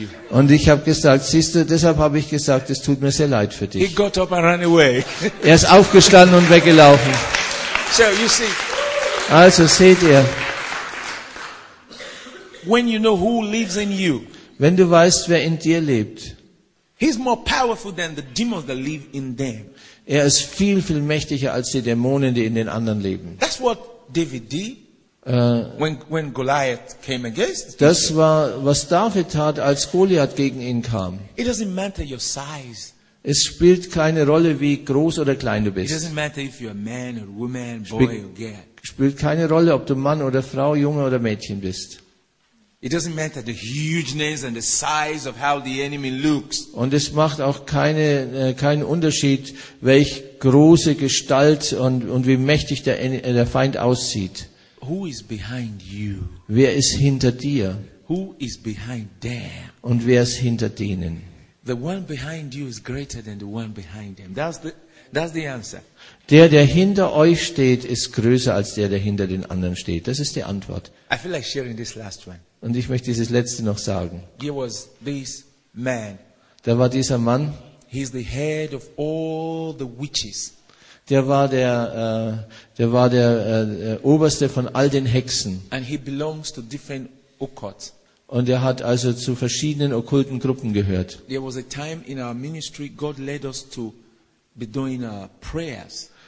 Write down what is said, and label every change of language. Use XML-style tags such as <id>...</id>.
<de>Und ich habe gesagt, siehst du, deshalb habe ich gesagt, es tut mir sehr leid für dich.</de> <en>He got up and ran away.</en> <de>Er ist aufgestanden und weggelaufen.</de> <en>So, you see,</en> <de>also seht ihr,</de> <en>when you know who lives in you,</en> <de>wenn du weißt, wer in dir lebt,</de> <en>he's more powerful than the demons that live in them.</en> <de>Er ist viel, viel mächtiger als die Dämonen, die in den anderen leben.</de> <en>That's what David did when Goliath came against.</en> <de>Das war, was David tat, als Goliath gegen ihn kam.</de> <en>It doesn't matter your size.</en> <de>Es spielt keine Rolle, wie groß oder klein du bist.</de> <en>It doesn't matter if you're a man or woman, boy or girl.</en> <de>Spielt keine Rolle, ob du Mann oder Frau, Junge oder Mädchen bist.</de> <en>It doesn't matter the hugeness and the size of how the enemy looks.</en> <de>Und es macht auch keinen Unterschied, welch große Gestalt und wie mächtig der Feind aussieht.</de> <en>Who is behind you?</en> <de>Wer ist hinter dir?</de> <en>Who is behind them?</en> <de>Und wer ist hinter denen?</de> <en>The one behind you is greater than the one behind them. That's the answer.</en> <de>Der hinter euch steht, ist größer als der hinter den anderen steht. Das ist die Antwort.</de> <en>I feel like sharing this last one.</en> <de>Und ich möchte dieses letzte noch sagen.</de> <en>There was this man.</en> <de>Da war dieser Mann.</de> <en>He's the head of all the witches.</en> <de>Der war der oberste von all den Hexen.</de> <en>And he belongs to different occults.</en> <de>Und er hat also zu verschiedenen okkulten Gruppen gehört.</de> <en>There was a time in our ministry God led us to be doing prayers.</en>